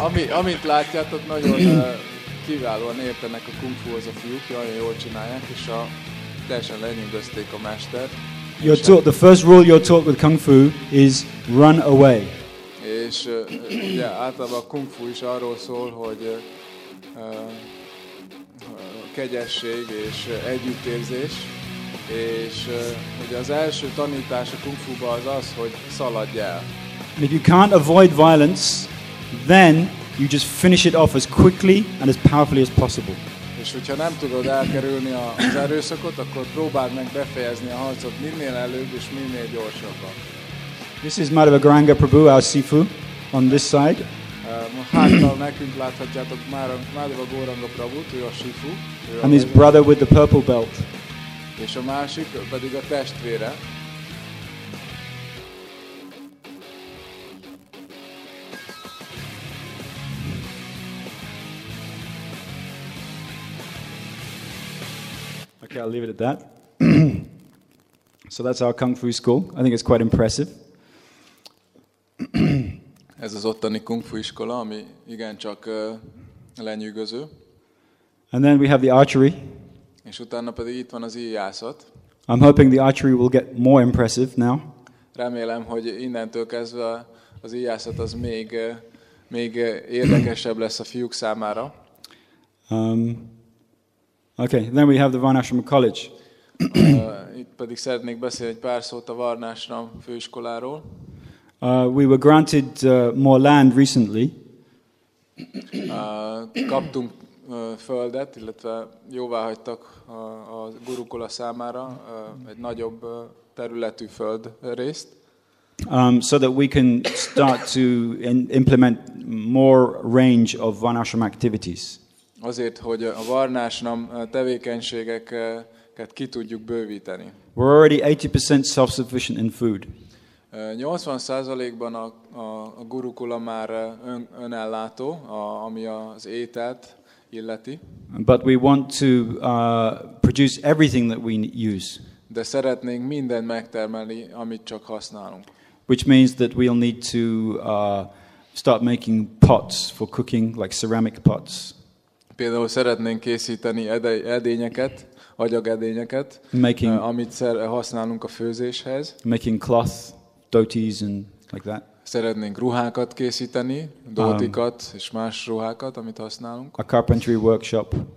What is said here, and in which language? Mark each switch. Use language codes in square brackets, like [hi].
[hu] Amit látjátok, nagyon kiválóan értenek a Kung Fu-hoz a fiúk, nagyon jól csinálják, és teljesen lenyűgözték a mestert. [en] Your talk, the first rule you're taught with Kung Fu is run away. [hu] És ugye általában a Kung Fu is arról szól, hogy kegyesség és együttérzés. És ugye az első tanítás a Kung Fu-ba az az, hogy szaladj el. [en] If you can't avoid violence, then you just finish it off as quickly and as powerfully as possible. [hu] És hogyha nem tudod elkerülni az erőszakot, akkor próbáld meg befejezni a harcot minél előbb és minél gyorsabban. [en] This is Madhava Garanga Prabhu, our Sifu, on this side. [hu] Hátra nekünk láthatjátok Madhava Garanga Prabhut, ő a Sifu. [en] And his brother with the purple belt. [hu] És a másik pedig a testvére. [en] Okay, I'll leave it at that. So that's our Kung Fu school. I think it's quite impressive. [hu] Ez az ottani Kung Fu iskola, ami igencsak lenyűgöző. [en] And then we have the archery. [hu] És utána pedig itt van az íjászat. [en] I'm hoping the archery will get more impressive now. [hu] Remélem, hogy innentől kezdve az íjászat az még érdekesebb lesz a fiúk számára. [en] Okay, then we have the Varnashram College. [hu] Itt pedig szeretnék beszélni egy pár szót a Varnashram főiskoláról. [en] We were granted more land recently. [hu] Kaptunk földet, illetve jóvá hagytak a gurukula számára egy nagyobb területű föld részt. [en] So that we can start to implement more range of Varnashram activities. [hu] Azért, hogy a Varnashram tevékenységeket ki tudjuk bővíteni. [en] We're already 80% self-sufficient in food. [hu] 80%-ban a gurukula már önellátó, ami az ételt illeti. [en] But we want to produce everything that we use. [hu] De szeretnénk mindent megtermelni, amit csak használunk. [en] Which means that we'll need to start making pots for cooking, like ceramic pots. [hu] Például szeretnénk készíteni edényeket, agyagedényeket, amit használunk a főzéshez. [en] Making cloth, dhotis and like that. [hu] Szeretnénk ruhákat készíteni, dhotikat és más ruhákat, amit használunk. [en] A carpentry workshop.